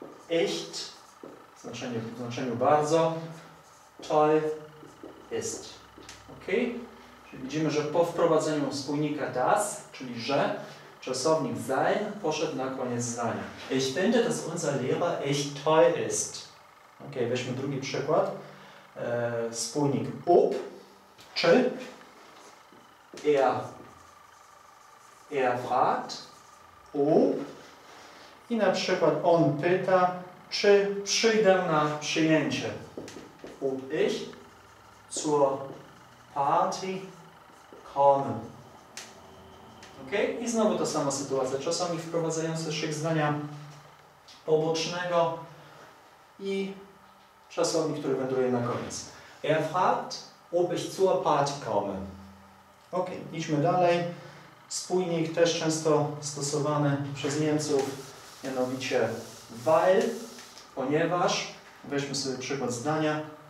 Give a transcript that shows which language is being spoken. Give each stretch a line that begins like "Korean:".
German: Echt.
Polish: W znaczeniu bardzo.
German: Toll ist. Ok.
Polish: Czyli widzimy, że po wprowadzeniu spójnika das, czyli że, czasownik sein poszedł na koniec zdania.
German: Ich finde, dass unser Lehrer echt toll ist.
Polish: Ok, weźmy drugi przykład. Spójnik ob, czy.
German: Er fragt, ob.
Polish: I na przykład on pyta, czy przyjdę na przyjęcie.
German: Ob ich zur Party komme.
Polish: Ok, i znowu ta sama sytuacja. Czasami wprowadzające szyk zdania pobocznego i czasownik, który wędruje na koniec.
German: Er fragt, ob ich zur Party komme.
Polish: Ok, idźmy dalej. Spójnik też często stosowany przez Niemców, mianowicie weil, ponieważ. Weźmy sobie przykład zdania.